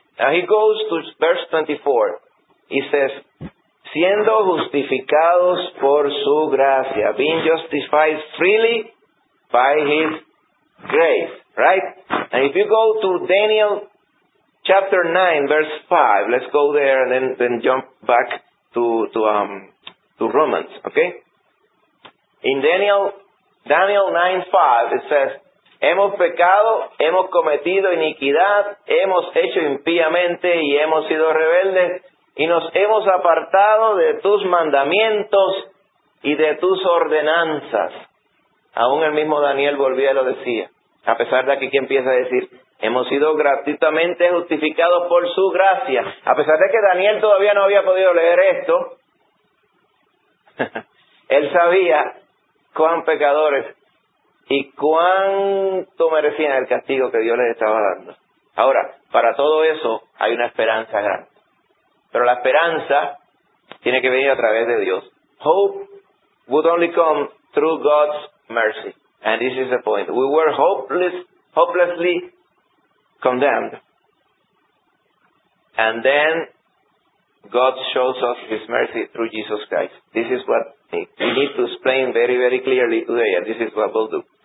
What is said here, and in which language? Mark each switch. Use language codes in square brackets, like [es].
[en] Now he goes to verse 24. He says, [es] siendo justificados por su gracia, [en] being justified freely by his grace. Right? And if you go to Daniel chapter 9, verse 5. Let's go there and then jump back to Romans, okay? In Daniel 9:5, it says, [es] hemos pecado, hemos cometido iniquidad, hemos hecho impíamente y hemos sido rebeldes, y nos hemos apartado de tus mandamientos y de tus ordenanzas. Aún el mismo Daniel volvía y lo decía. A pesar de aquí empieza a decir, hemos sido gratuitamente justificados por su gracia. A pesar de que Daniel todavía no había podido leer esto, él sabía cuán pecadores y cuánto merecían el castigo que Dios les estaba dando. Ahora, para todo eso hay una esperanza grande. Pero la esperanza tiene que venir a través de Dios. [en] Hope would only come through God's mercy. And this is the point. We were hopelessly condemned. And then God shows us his mercy through Jesus Christ. This is what we need to explain very, very clearly today. And this is what we'll do.